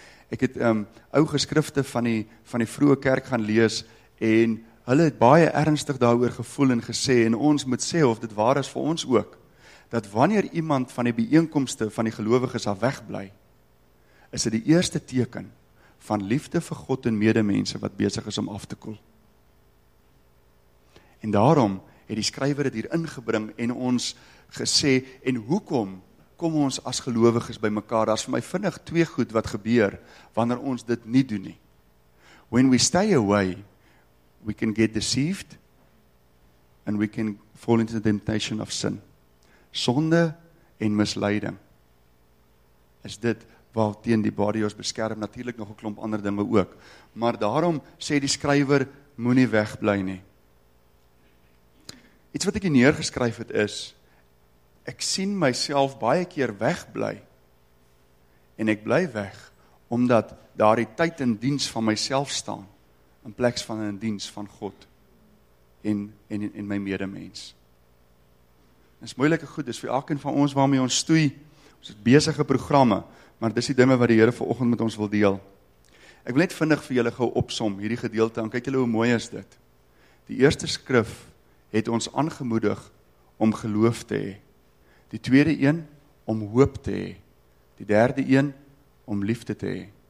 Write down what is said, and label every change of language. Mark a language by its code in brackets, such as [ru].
[af] Ek het ou geskrifte van die vroeë kerk gaan lees en hulle het baie ernstig daaroor gevoel en gesê, en ons moet sê of dit waar is vir ons ook, dat wanneer iemand van die bijeenkomste van die gelowiges af wegbly, is dit die eerste teken van liefde vir God en medemense wat besig is om af te koel. En daarom het die skrywer dit hier ingebring en ons gesê, en hoekom kom ons as gelowiges by mekaar? Daar is vir my vinnig 2 goed wat gebeur wanneer ons dit nie doen nie. [en] When we stay away, we can get deceived and we can fall into the temptation of sin. [af] Sonde en misleiding is dit waar teen die body ons beskerm, natuurlik nog 'n klomp ander dinge ook. Maar daarom sê die skrywer, moenie wegbly nie. Iets wat ek hier neergeskryf het is, ek sien myself baie keer wegbly en ek bly weg omdat daardie tyd in diens van myself staan in plaas van in diens van God en my medemens. Dis moeilike goed, dis vir elkeen van ons waarmee ons stoei, ons het besige programme, maar dis die dinge wat die Here vanoggend met ons wil deel. Ek wil net vinnig vir julle gou opsom hierdie gedeelte en kyk julle hoe mooi is dit. Die eerste skrif het ons aangemoedig om geloof te hê. Die tweede een, om hoop te hê. Die derde een, om liefde te hê.